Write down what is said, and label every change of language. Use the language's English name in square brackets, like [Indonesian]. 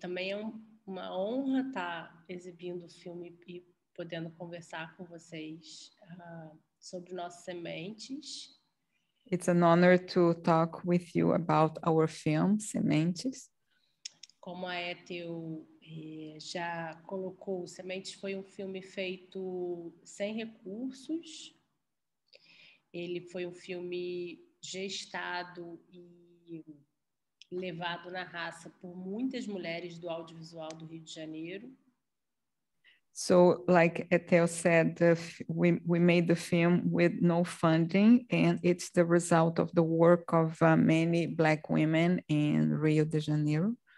[Portuguese] Também é uma honra estar exibindo o filme e podendo conversar com vocês sobre nossas sementes. [English] It's an honor to talk with you about our film, Sementes. [Portuguese] Como a Éthel já colocou, Sementes foi um filme feito sem recursos. Ele foi um filme gestado e levado na raça por muitas mulheres do audiovisual do Rio de Janeiro. [English] So, like Éthel said, we made the film with no funding, and it's the result of the work of many black women in Rio de Janeiro.